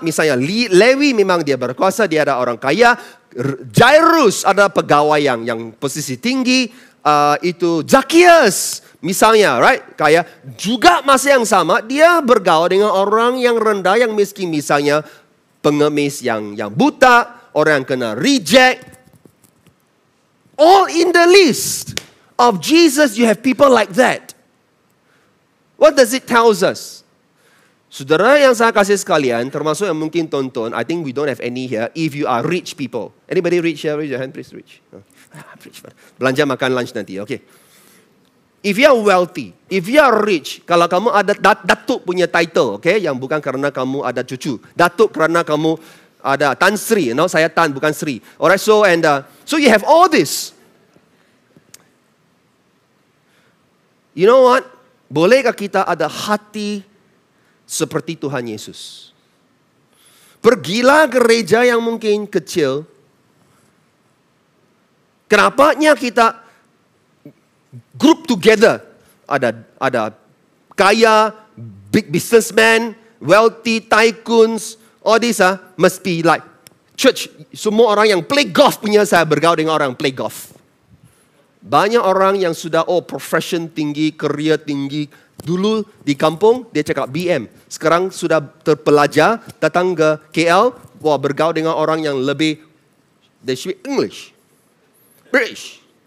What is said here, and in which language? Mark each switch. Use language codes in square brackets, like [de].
[ms] Misalnya Lewi memang dia berkuasa, dia ada orang kaya. Jairus ada pegawai yang posisi tinggi. Itu Zacchaeus misalnya, right? Kaya juga masih yang sama, dia bergaul dengan orang yang rendah, yang miskin, misalnya pengemis yang buta, orang yang kena reject. [en] All in the list of Jesus, you have people like that. What does it tells us? [ms] Saudara yang saya kasih sekalian, termasuk yang mungkin tonton, [en] I think we don't have any here, if you are rich people. Anybody rich here? Raise your hand, please, rich. [ms] Belanja makan lunch nanti, okay. [en] If you are wealthy, if you are rich, [ms] kalau kamu ada datuk punya title, okay, yang bukan karena kamu ada cucu, datuk karena kamu ada Tan Sri, [en] you know, [ms] saya Tan, bukan Sri. [en] Alright, so you have all this. You know what? [ms] Bolehkah kita ada hati seperti Tuhan Yesus? Pergilah gereja yang mungkin kecil. Kenapanya kita [en] group together? [ms] Ada kaya, [en] big businessman, wealthy tycoons, all this must be like church. [ms] Semua orang yang play golf punya, saya bergaul dengan orang play golf. Banyak orang yang sudah profession tinggi, career tinggi. Dulu di kampung dia cakap BM. Sekarang sudah terpelajar, datang ke KL, bergaul dengan orang yang lebih, [en] they speak English. [ms] British.